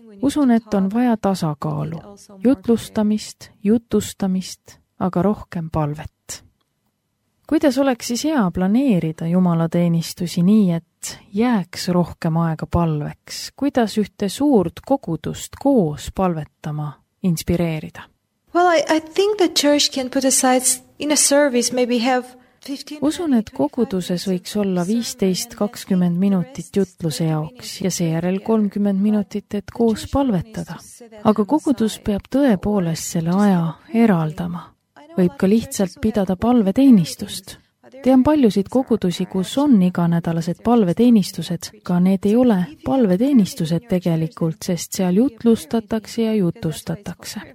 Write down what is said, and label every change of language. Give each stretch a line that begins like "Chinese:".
Estonian: Usun, et on vaja tasakaalu. Jutlustamist, jutustamist, aga rohkem palvet. Kuidas oleks siis hea planeerida Jumala teenistusi nii, et jääks rohkem aega palveks? Kuidas ühte suurt kogudust koos palvetama inspireerida?
English: Well, I think the church can put aside in a service maybe have 15.
Estonian: Usun, et koguduses võiks olla 15-20 minutit jutluse jaoks ja seejärel 30 minutit, et koos palvetada. Aga kogudus peab tõepoolest selle aja eraldama. Võib ka lihtsalt pidada palveteenistust. Tean paljusid kogudusi, kus on iganädalased palveteenistused, ka need ei ole palveteenistused tegelikult, sest seal jutlustatakse ja jutustatakse.